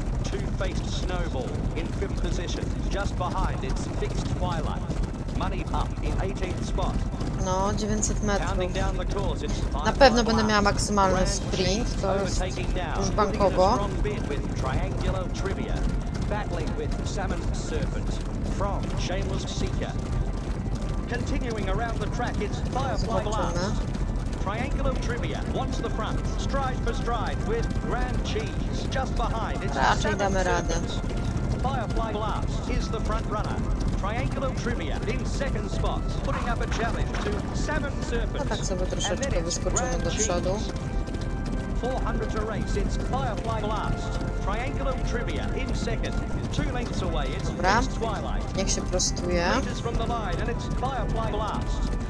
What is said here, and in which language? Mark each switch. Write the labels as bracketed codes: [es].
[en] Two-faced Snowball in fifth position, just behind its fixed Twilight. Money up in 18th spot. [pl] No, 900 metrów. Na pewno będę miała maksymalny sprint, to jest już bankowo. [en] Triangular Trivia, battling with Salmon Serpent from Shameless Seeker. Continuing around the track, it's Firefly Blast. Triangular Trivia wants the front, stride for stride with Grand Cheese just behind. It's Salmon Serpent. Firefly Blast is the front runner. Triangular Trivia in second spot, putting up a challenge to Salmon Serpent. [pl] A tak sobie troszeczkę wyskoczymy do przodu. [en] 400 to race, it's Firefly Blast. Triangular Trivia in second, two lengths away, it's Twilight. [pl] Niech się prostuje. [en] Leaders from the line, and it's Firefly Blast.